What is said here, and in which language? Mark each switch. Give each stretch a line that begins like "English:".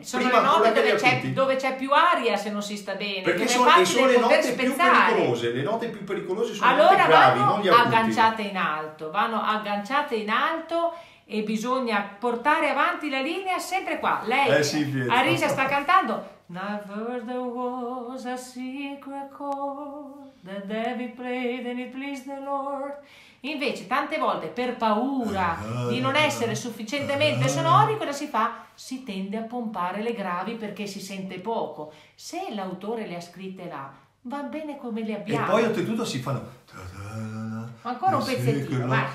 Italian: Sono prima le note dove c'è più aria se non si sta bene. Perché sono le note più pericolose. Le note più pericolose sono allora le note gravi, non gli acuti. Vanno agganciate in alto e bisogna portare avanti la linea sempre qua. Lei, Arisa, sta cantando.
English: Never there was a secret chord that David played and it pleased the Lord.
Italian: Invece, tante volte, per paura di non essere sufficientemente sonori, cosa si fa? Si tende a pompare le gravi perché si sente poco. Se l'autore le ha scritte là, va bene come le abbiamo. E poi, oltretutto, si fanno... Ancora un pezzettino, ma...